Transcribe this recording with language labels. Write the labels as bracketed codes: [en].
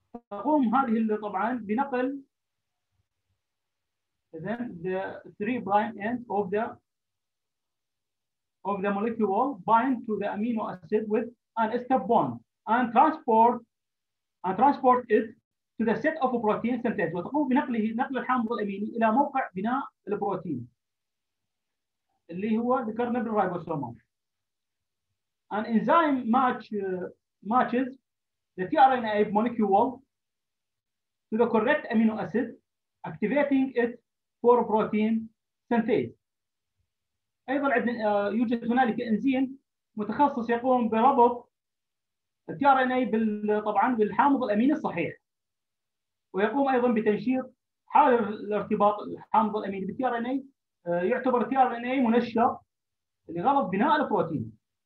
[ar] تقوم هذه اللي طبعا بنقل [en] then the three prime end of the molecule bind to the amino acid with an ester bond and transport it to the set of a protein synthesis. [ar] وتقوم بنقله نقل الحامض الاميني الى موقع بناء البروتين اللي هو ذكرنا بالرايبوسوم. [en] An enzyme matches the tRNA molecule to the correct amino acid, activating it for protein synthesis. [ar] ايضا عندنا يوجد هنالك انزيم متخصص يقوم بربط tRNA طبعا بالحامض الاميني الصحيح، ويقوم ايضا بتنشيط حال الارتباط الحامض الاميني بالتي ار ان اي. يعتبر التي ار ان اي منشط لغرض بناء البروتين.